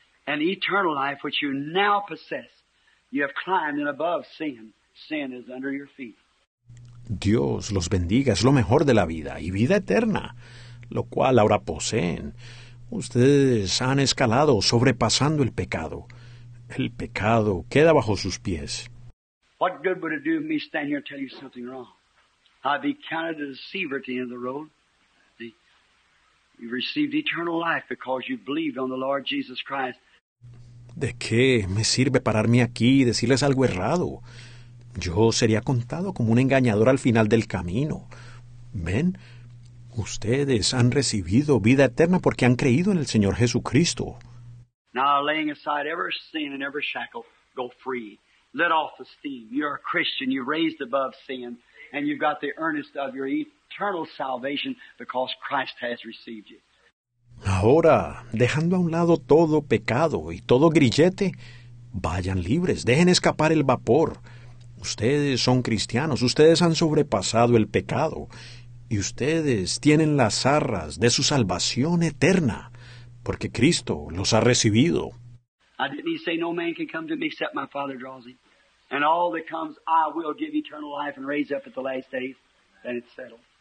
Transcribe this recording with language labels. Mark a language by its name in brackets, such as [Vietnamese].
[English] An eternal life which you now possess. You have climbed and above sin. Sin is under your feet. [Spanish] Dios los bendiga. Es lo mejor de la vida y vida eterna, lo cual ahora poseen. Ustedes han escalado sobrepasando el pecado. El pecado queda bajo sus pies. [English] What good would it do me stand here and tell you something wrong? I'd be counted a deceiver at the end of the road. You received eternal life because you believed on the Lord Jesus Christ. [Spanish] ¿De qué me sirve pararme aquí y decirles algo errado? Yo sería contado como un engañador al final del camino. ¿Ven? Ustedes han recibido vida eterna porque han creído en el Señor Jesucristo. [English] Now, laying aside every sin and every shackle, go free. Let off the steam. You're a Christian. You're raised above sin. And you've got the earnest of your eternal salvation because Christ has received you. [Spanish] Ahora, dejando a un lado todo pecado y todo grillete, vayan libres, dejen escapar el vapor. Ustedes son cristianos, ustedes han sobrepasado el pecado, y ustedes tienen las arras de su salvación eterna, porque Cristo los ha recibido. [English] I didn't say no man can come to me except my Father draws him. And all that comes, I will give eternal life and raise up at the last day. Then it's settled.